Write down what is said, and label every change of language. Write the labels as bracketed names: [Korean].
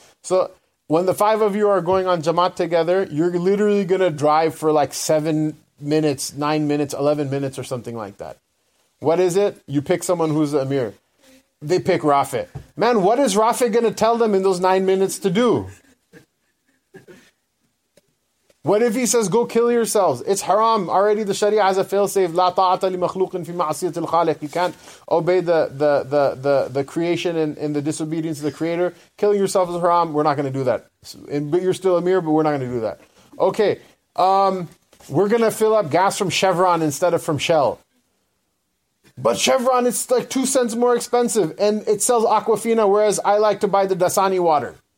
[English] So when the five of you are going on Jamaat together, you're literally going to drive for like 7 minutes, 9 minutes, 11 minutes or something like that. What is it? You pick someone who's the emir. They pick Rafi. Man, what is Rafi going to tell them in those 9 minutes to do? What if he says, go kill yourselves? It's haram. Already the Sharia has a fail-safe. [Arabic] لا طاعة لمخلوق في معصية الخالق. [English] You can't obey the creation and the disobedience of the creator. Killing yourself is haram. We're not going to do that. But you're still emir, but we're not going to do that. Okay. We're going to fill up gas from Chevron instead of from Shell. But Chevron, it's like 2 cents more expensive. And it sells Aquafina, whereas I like to buy the Dasani water.